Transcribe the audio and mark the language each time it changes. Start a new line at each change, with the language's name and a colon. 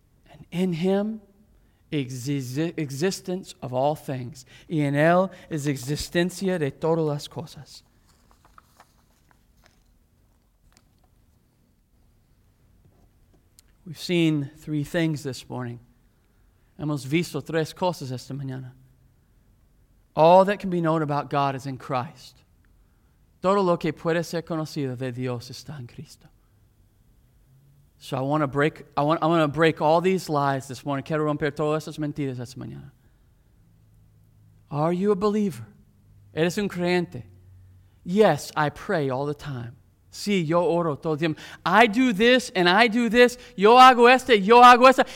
English: And in him is existence of all things.
Spanish: Y en él es existencia de todas las cosas.
English: We've seen three things this morning.
Spanish: Hemos visto tres cosas esta mañana.
English: All that can be known about God is in Christ.
Spanish: Todo lo que puede ser conocido de Dios está en Cristo.
English: So I want to break all these lies this morning.
Spanish: Quiero romper todas esas mentiras esta mañana.
English: Are you a believer?
Spanish: ¿Eres un creyente?
English: Yes, I pray all the time.
Spanish: Sí, yo oro todo el tiempo.
English: I do this and I do this.
Spanish: Yo hago esta, yo hago esta.